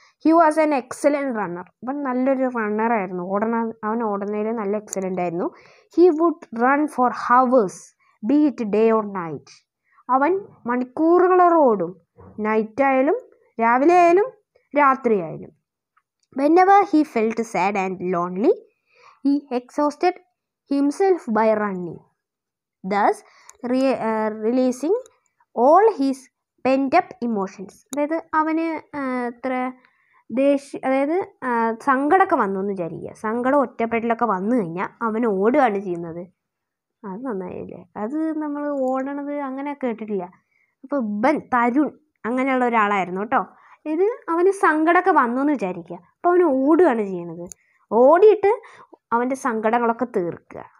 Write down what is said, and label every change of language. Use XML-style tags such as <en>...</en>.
<en>he was an excellent runner,</en> <ml>അവൻ നല്ലൊരു റണ്ണറായിരുന്നു, അവൻ ഓടുന്നതിൽ നല്ല എക്സലൻ്റ് ആയിരുന്നു.</ml> <en>He would run for hours be it day or night.</en> <ml>അവൻ മണിക്കൂറുകളോളം ഓടും, നൈറ്റായാലും രാവിലെ ആയാലും രാത്രിയായാലും.</ml> <en>Whenever he felt sad and lonely, he exhausted himself by running, thus releasing all his pent-up emotions.</en> <ml>അതായത് അവന് ഇത്ര ദേഷ്യം, അതായത് സങ്കടമൊക്കെ വന്നു എന്ന് വിചാരിക്കുക, സങ്കടം ഒറ്റപ്പെട്ടിലൊക്കെ വന്നു കഴിഞ്ഞാൽ അവൻ ഓടുകയാണ് ചെയ്യുന്നത്. അത് നന്നായില്ലേ, അത് നമ്മൾ ഓടണത് അങ്ങനെ കേട്ടിട്ടില്ല. അപ്പോൾ ഇബൻ തരുൺ അങ്ങനെയുള്ള ഒരാളായിരുന്നു കേട്ടോ. ഇത് അവന് സങ്കടമൊക്കെ വന്നു എന്ന് വിചാരിക്കുക, അപ്പോൾ അവന് ഓടുകയാണ് ചെയ്യണത്, ഓടിയിട്ട് അവൻ്റെ സങ്കടങ്ങളൊക്കെ തീർക്കുക.</ml>